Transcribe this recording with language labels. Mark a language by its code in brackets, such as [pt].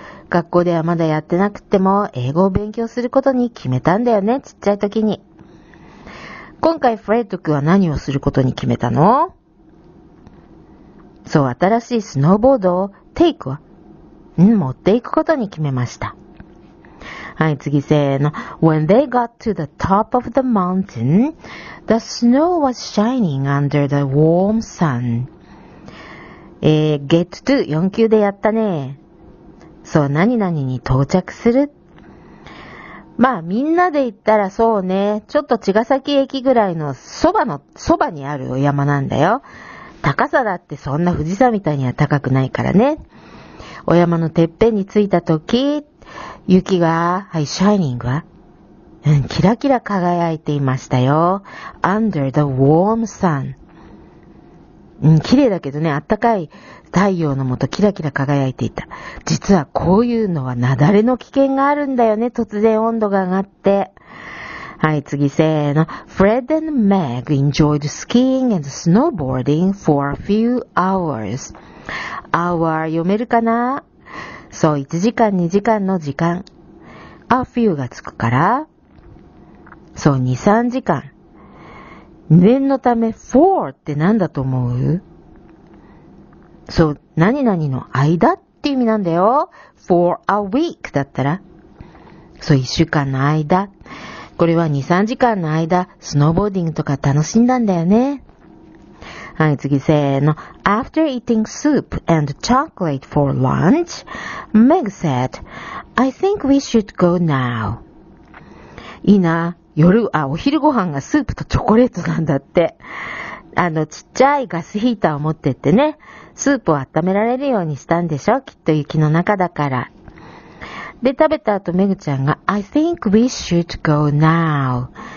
[ja] 学校ではまだやってなくても英語を勉強することに決めたんだよね、ちっちゃい時に。今回フレッド君は何をすることに決めたの？そう、新しいスノーボードをテイクは、持っていくことに決めました。はい、次、せーの。 [en] When they got to the top of the mountain, the snow was shining under the warm sun. [ja] get to 4級でやったね。そう、何々に到着する。まあ、みんなで言ったらそうね、ちょっと茅ヶ崎駅ぐらいのそばにあるお山なんだよ。高さだってそんな富士山みたいには高くないからね。お山のてっぺんに着いたとき、雪が、はい、シャイニングは、キラキラ輝いていましたよ。 [en] Under the warm sun。 [ja] 綺麗だけどね、あったかい太陽のもとキラキラ輝いていた。実はこういうのは雪崩の危険があるんだよね、突然温度が上がって。はい、次、せーの。 [en] Fred and Meg enjoyed skiing and snowboarding for a few hours. [ja] Hour 読めるかな？そう、1時間、2時間の時間。 a few がつくから。そう、2、3時間。念のため、for って何だと思う？そう、何々の間っていう意味なんだよ。 [en] for a week [ja] だったら。そう、1週間の間。これは2、3時間の間、スノーボーディングとか楽しんだんだよね。はい、次、せーの。 [en] After eating soup and chocolate for lunch, Meg said, I think we should go now. [ja] いいな。お昼ご飯がスープとチョコレートなんだって。ちっちゃいガスヒーターを持ってってね、スープを温められるようにしたんでしょ、きっと雪の中だから。で、食べた後、メグちゃんが、 [en] I think we should go now.